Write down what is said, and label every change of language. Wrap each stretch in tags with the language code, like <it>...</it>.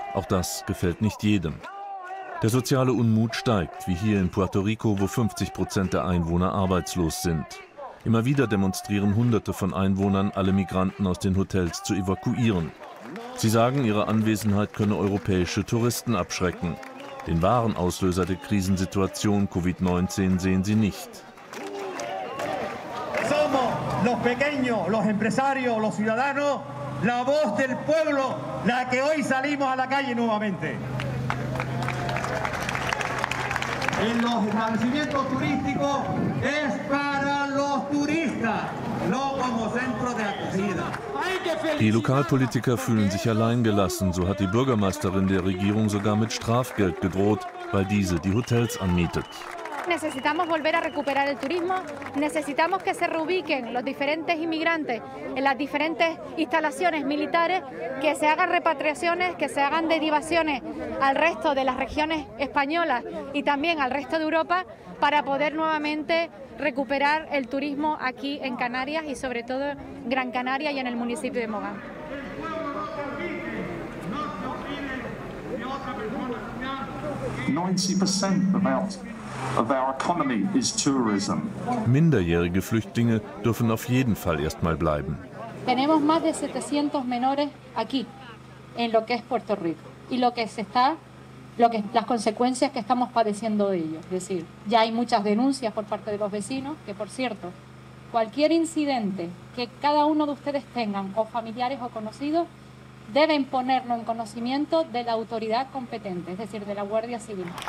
<de>Auch das gefällt nicht jedem. Der soziale Unmut steigt, wie hier in Puerto Rico, wo 50% der Einwohner arbeitslos sind. Immer wieder demonstrieren Hunderte von Einwohnern, alle Migranten aus den Hotels zu evakuieren. Sie sagen, ihre Anwesenheit könne europäische Touristen abschrecken. Den wahren Auslöser der Krisensituation, Covid-19, sehen sie nicht.</de> <es>Los pequeños, los empresarios, los ciudadanos, la voz del pueblo, la que hoy salimos a la calle nuevamente. En los establecimientos turísticos es para los turistas, no como centro de acogida.</es> <de>Die Lokalpolitiker fühlen sich alleingelassen. So hat die Bürgermeisterin der Regierung sogar mit Strafgeld gedroht, weil diese die Hotels anmietet.</de> <es>Necesitamos volver a recuperar el turismo, necesitamos que se reubiquen los diferentes inmigrantes en las diferentes instalaciones militares, que se hagan repatriaciones, que se hagan derivaciones al resto de las regiones españolas y también al resto de Europa para poder nuevamente recuperar el turismo aquí en Canarias y sobre todo Gran Canaria y en el municipio de Mogán.</es> <en>90% about of our economy is tourism.</en> <de>Minderjährige Flüchtlinge dürfen auf jeden Fall erstmal bleiben.</de> <es>Tenemos más de 700 menores aquí en lo que es Puerto Rico y lo que se está lo que las consecuencias que estamos padeciendo de ello, es decir, ya hay muchas denuncias por parte de los vecinos, que por cierto, cualquier incidente que cada uno de ustedes tengan o familiares o conocidos deben ponerlo en conocimiento de la autoridad competente, es decir, de la Guardia Civil.</es>